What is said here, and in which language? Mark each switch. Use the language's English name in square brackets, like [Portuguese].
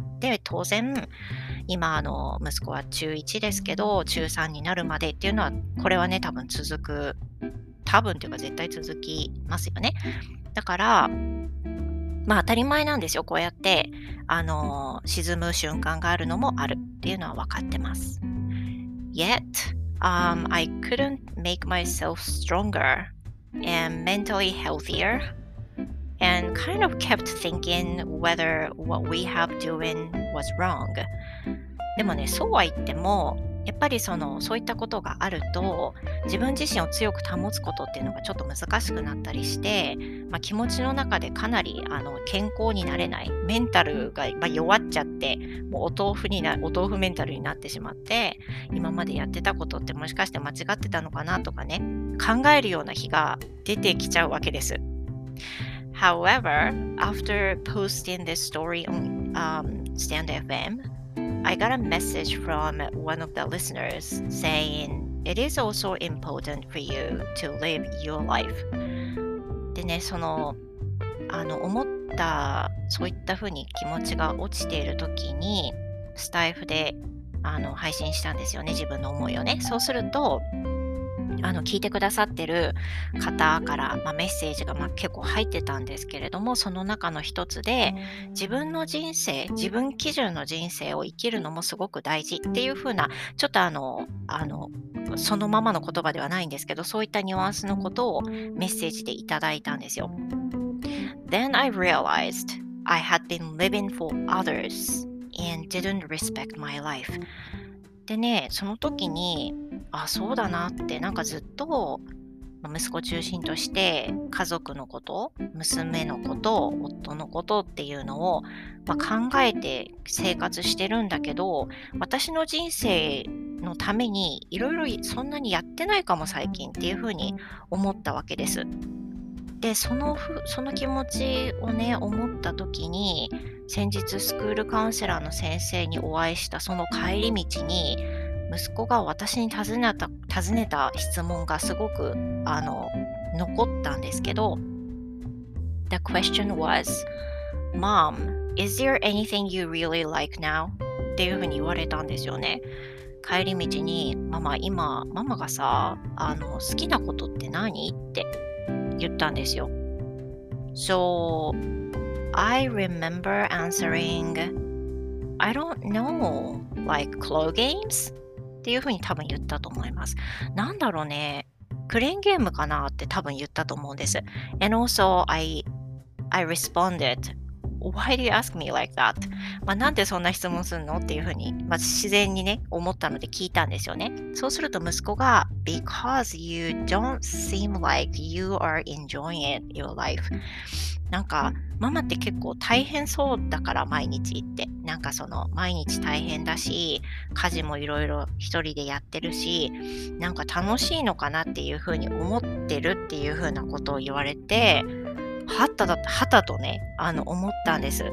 [Japanese] で、当然、今息子は中1ですけど、中3になるまでっていうのは、これはね、多分というか絶対続きますよね。だから、まあ当たり前なんですよ。こうやって、沈む瞬間があるのもあるっていうのは分かってます。 [English] Yet, I couldn't make myself stronger and mentally healthier. And kind of kept thinking whether what we have doing was wrong. [Japanese] でもね、そうは言っても、やっぱりそういったことがあると、自分自身を強く保つことっていうのがちょっと難しくなったりして、まあ、気持ちの中でかなり健康になれない、メンタルが、まあ、弱っちゃって、もうお豆腐メンタルになってしまって、今までやってたことってもしかして間違ってたのかなとかね、考えるような日が出てきちゃうわけです。 [English] However, after posting this story on Stand FM, I got a message from one of the listeners saying it is also important for you to live your life. [Japanese] でね、その、あの、思った、そういったふうに気持ちが落ちているときに、スタイフで、あの、配信したんですよね、自分の思いをね。そうすると、あの、聞いてくださってる方から、まあ、メッセージが、まあ、結構入ってたんですけれども、その中の一つで、自分の人生、自分基準の人生を生きるのもすごく大事っていうふうな、ちょっとあの、そのままの言葉ではないんですけど、そういったニュアンスのことをメッセージでいただいたんですよ。 [English] Then I realized I had been living for others and didn't respect my life. [Japanese] でね、その時に、あ、そうだなって、なんかずっと息子を中心として家族のこと、娘のこと、夫のことっていうのを、まあ、考えて生活してるんだけど、私の人生のためにいろいろそんなにやってないかも最近っていうふうに思ったわけです。で、その気持ちをね、思った時に、先日スクールカウンセラーの先生にお会いしたその帰り道に、息子が私に尋ねた質問がすごく残ったんですけど、 [English] The question was, Mom, is there anything you really like now? [Japanese] っていうふうに言われたんですよね。帰り道に、ママ、今、ママがさ、好きなことって何？って言ったんですよ。 [English] So, I remember answering, I don't know, like claw games? [Japanese] っていうふうに多分言ったと思います。なんだろうね、クレーンゲームかなって多分言ったと思うんです。 [English] And also, I responded, Why do you ask me like that? [Japanese] まあ、なんでそんな質問するのっていうふうに、まあ、自然にね、思ったので聞いたんですよね。そうすると息子が、 [English] Because you don't seem like you are enjoying your life. [Japanese] なんか、ママって結構大変そうだから毎日って。なんかその毎日大変だし、家事もいろいろ一人でやってるし、なんか楽しいのかなっていうふうに思ってるっていうふうなことを言われて、はたとね、思ったんです。